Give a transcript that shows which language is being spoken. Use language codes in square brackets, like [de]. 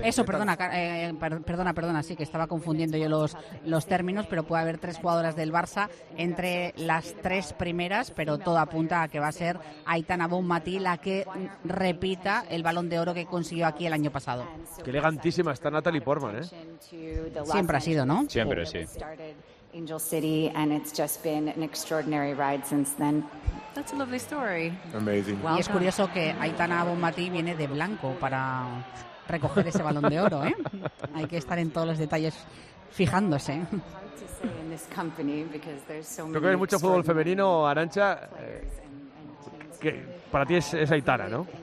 [es] Perdona, sí, que estaba confundiendo yo los términos, pero puede haber tres jugadoras del Barça entre las tres primeras, pero todo apunta a que va a ser Aitana Bonmatí la que repita el Balón de Oro que consiguió aquí el año pasado. Qué elegantísima está Natalie Portman, ¿eh? Siempre ha sido, ¿no? Siempre, sí. [en] Angel City, and it's just been an extraordinary ride since then. That's a lovely story. Amazing. [es] Y es curioso que Aitana Bonmatí viene de blanco para recoger ese Balón de Oro, ¿eh? Hay que estar en todos los detalles fijándose. Creo que hay mucho fútbol femenino, Arantxa, que para ti es Aitana, ¿no?